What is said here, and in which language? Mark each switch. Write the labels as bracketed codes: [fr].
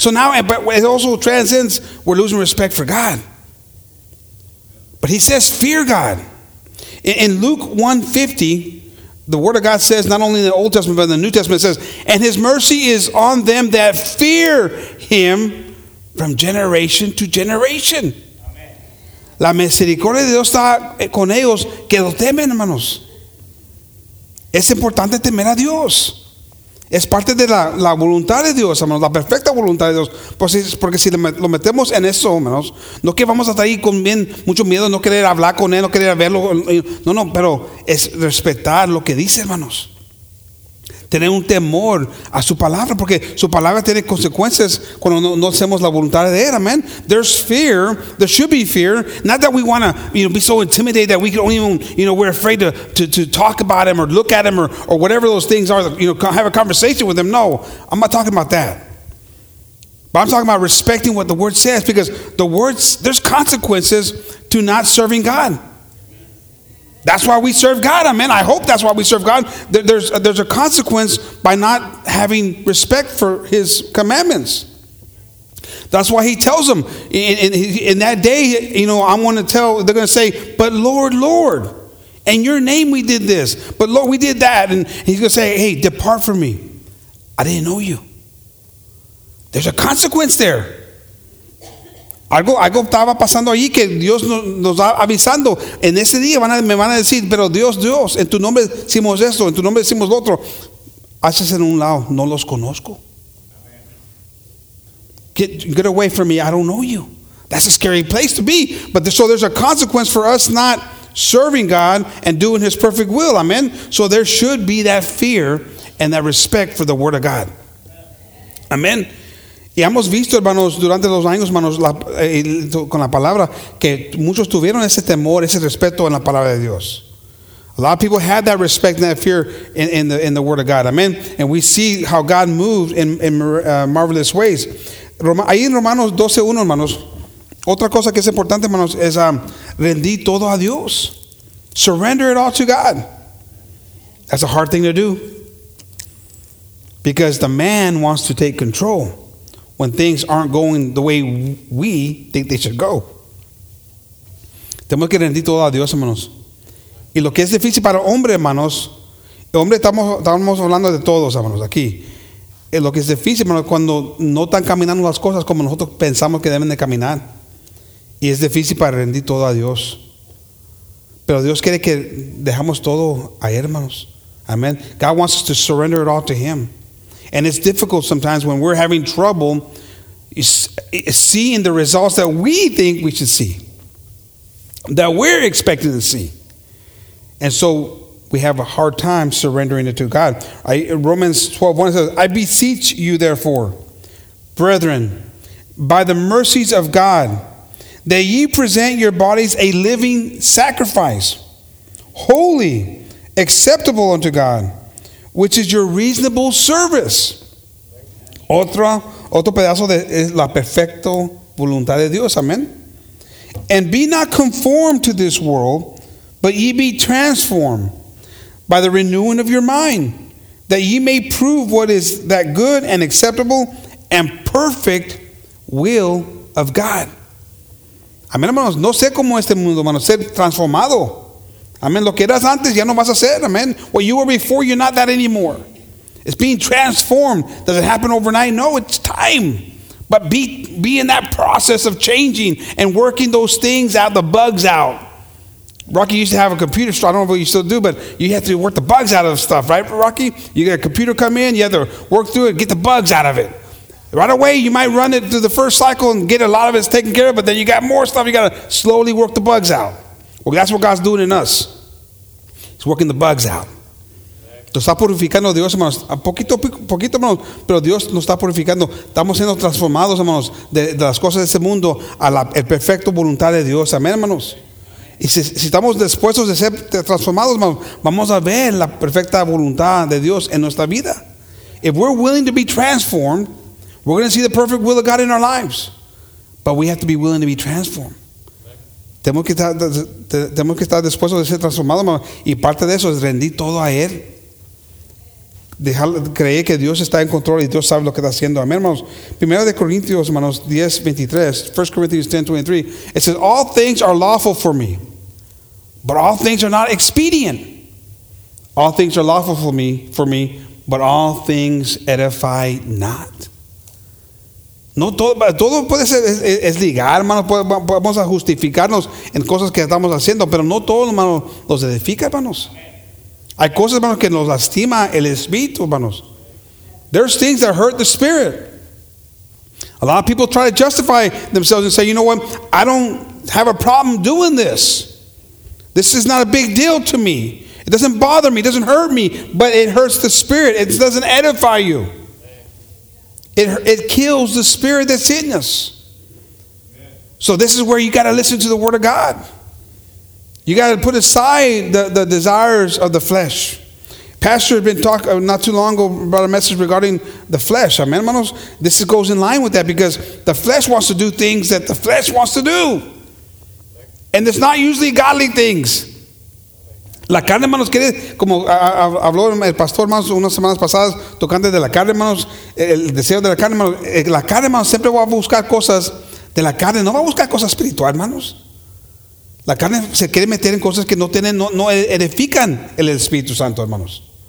[en] So now, but it also transcends, we're losing respect for God. But He says, fear God. In Luke 1:50, the Word of God says, not only in the Old Testament, but in the New Testament, it says, and His mercy is on them that fear Him from generation to generation. [es] Amen. La misericordia de Dios está con ellos que lo temen, hermanos. Es importante temer a Dios. Es parte de la voluntad de Dios, hermanos, la perfecta voluntad de Dios. Porque si lo metemos en eso, hermanos, no que vamos a estar ahí con bien mucho miedo, no querer hablar con él, no querer verlo. No, pero es respetar lo que dice, hermanos. Tener un temor a su palabra, porque su palabra tiene consecuencias cuando no hacemos la voluntad de él, amén. [en] There's fear, there should be fear, not that we want to, you know, be so intimidated that we don't even, you know, we're afraid to talk about him or look at him or whatever those things are, you know, have a conversation with him. No, I'm not talking about that. But I'm talking about respecting what the word says, because the words, there's consequences to not serving God. That's why we serve God, amen. I hope that's why we serve God. There's a consequence by not having respect for his commandments. That's why he tells them, in that day, you know, I'm going to tell, they're going to say, but Lord, Lord, in your name we did this, but Lord, we did that. And he's going to say, hey, depart from me. I didn't know you. There's a consequence there. [es] Algo estaba pasando allí que Dios nos está avisando. En ese día me van a decir, pero Dios, en tu nombre decimos esto, en tu nombre decimos lo otro. Haces en un lado, no los conozco. [en] Get away from me, I don't know you. That's a scary place to be. But so there's a consequence for us not serving God and doing his perfect will, amen? So there should be that fear and that respect for the word of God. Amen. [es] Y hemos visto, hermanos, durante los años, hermanos, con la palabra, que muchos tuvieron ese temor, ese respeto en la palabra de Dios. [en] A lot of people had that respect and that fear in the word of God. Amen. And we see how God moved in marvelous ways. [es] Ahí en Romanos 12:1, hermanos, otra cosa que es importante, hermanos, es rendir todo a Dios. [en] Surrender it all to God. That's a hard thing to do. Because the man wants to take control when things aren't going the way we think they should go. [es] Tenemos que rendir todo a Dios, hermanos. Y lo que es difícil para hombre, hermanos, hombre, estamos hablando de todos, hermanos, aquí. Y lo que es difícil, hermanos, cuando no están caminando las cosas como nosotros pensamos que deben de caminar. Y es difícil para rendir todo a Dios. Pero Dios quiere que dejamos todo a él, hermanos. [en] Amen. God wants us to surrender it all to him. And it's difficult sometimes when we're having trouble seeing the results that we think we should see, that we're expecting to see. And so we have a hard time surrendering it to God. Romans 12:1 says, I beseech you therefore, brethren, by the mercies of God, that ye present your bodies a living sacrifice, holy, acceptable unto God, which is your reasonable service. [es] Otro pedazo de es la perfecta voluntad de Dios. Amen. [en] And be not conformed to this world, but ye be transformed by the renewing of your mind, that ye may prove what is that good and acceptable and perfect will of God. [es] Amen, hermanos. No sé cómo este mundo, hermanos, ser transformado. Amen. Lo que eras antes, ya no vas a ser. Amen. [en] What you were before, you're not that anymore. It's being transformed. Does it happen overnight? No, it's time. But be in that process of changing and working those things out, the bugs out. Rocky used to have a computer store. I don't know what you still do, but you have to work the bugs out of stuff, right, Rocky? You got a computer come in, you have to work through it, get the bugs out of it. Right away, you might run it through the first cycle and get a lot of it taken care of, but then you got more stuff. You got to slowly work the bugs out. Well, that's what God's doing in us. He's working the bugs out. [es] Nos está purificando Dios, hermanos. A poquito, poquito, hermanos. Pero Dios nos está purificando. Estamos siendo transformados, hermanos, de las cosas de este mundo a la perfecta voluntad de Dios. Amén, hermanos. Y si estamos dispuestos de ser transformados, hermanos, vamos a ver la perfecta voluntad de Dios en nuestra vida. [en] If we're willing to be transformed, we're going to see the perfect will of God in our lives. But we have to be willing to be transformed. [es] Tenemos que estar dispuestos de ser transformados, hermanos. Y parte de eso es rendir todo a él. Creer que Dios está en control y Dios sabe lo que está haciendo. Amén, hermanos. Primero de Corintios, hermanos, 10:23. [en] 1 Corinthians 10:23. It says, all things are lawful for me, but all things are not expedient. All things are lawful for me, but all things edify not. [es] No todo puede ser es legal, hermano. Podemos justificarnos en cosas que estamos haciendo, pero no todo, hermano, los edifica, hermanos. Hay cosas, hermanos, que nos lastima el espíritu, hermanos. [en] There's things that hurt the spirit. A lot of people try to justify themselves and say, you know what? I don't have a problem doing this. This is not a big deal to me. It doesn't bother me. It doesn't hurt me. But it hurts the spirit. It doesn't edify you. It kills the spirit that's in us. So this is where you got to listen to the word of God. You got to put aside the desires of the flesh. Pastor had been talking not too long ago about a message regarding the flesh. Amen, hermanos? This goes in line with that because the flesh wants to do things that the flesh wants to do. And it's not usually godly things. [es] La carne, hermanos, quiere, como habló el pastor más unas semanas pasadas, tocando de la carne, hermanos, el deseo de la carne, hermanos. La carne, hermanos, siempre va a buscar cosas de la carne. No va a buscar cosas espirituales, hermanos. La carne se quiere meter en cosas que no tienen, no edifican el Espíritu Santo, hermanos.